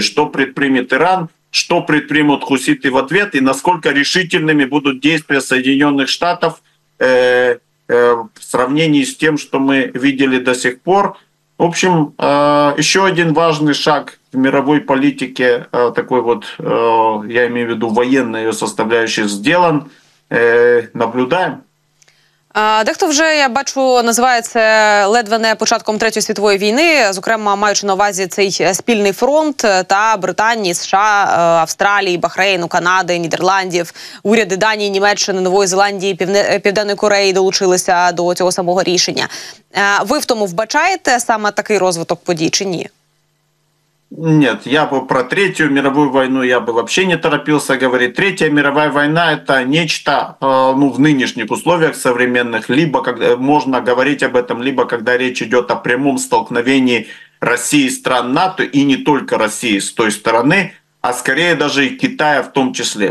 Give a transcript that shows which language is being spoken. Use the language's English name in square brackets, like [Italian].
[Russian] Что предпримет Иран, что предпримут хуситы в ответ, и насколько решительными будут действия Соединенных Штатов в сравнении с тем, что мы видели до сих пор. В общем, еще один важный шаг в мировой политике, такой вот, я имею в виду, военной составляющей, сделан. Наблюдаем. [Ukrainian] Дехто вже, я бачу, називає це ледве не початком Третьої світової війни, зокрема, маючи на увазі цей спільний фронт та Британії, США, Австралії, Бахрейну, Канади, Нідерландів, уряди Данії, Німеччини, Нової Зеландії, Південної Кореї долучилися до цього самого рішення. Ви в тому вбачаєте саме такий розвиток подій чи ні? [Russian] Нет, я бы про Третью мировую войну я бы вообще не торопился говорить. Третья мировая война – это нечто, ну, в нынешних условиях современных, либо когда можно говорить об этом, либо когда речь идет о прямом столкновении России и стран НАТО, и не только России с той стороны, а скорее даже и Китая в том числе.